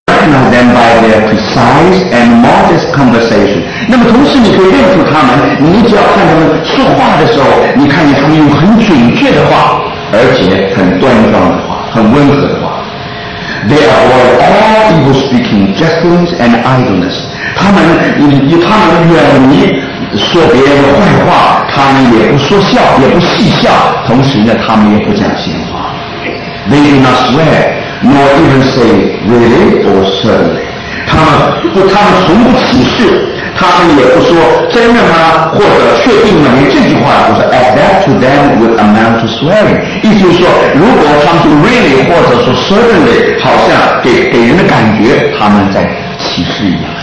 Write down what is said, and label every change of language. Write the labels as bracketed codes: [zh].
[en] of them by their precise and modest conversation. [zh] 那么同时你可以认出他们，你只要看他们说话的时候，你看见他们用很准确的话，而且很端庄的话，很温和的话。 [en] They avoid all evil speaking, gestures, and idleness. [zh] 他们，他们远离说别人的坏话，他们也不说笑，也不戏笑，同时呢，他们也不讲闲话。 [en] They do not swear, nor even say really or certainly. [zh] 他们从不起誓，他们也不说真的吗，或者确定吗，连这句话都是 [en] add that to them would amount to swearing. [zh] 意思就是说，如果他们是 really 或者说 certainly, 好像 给人的感觉他们在起誓一样。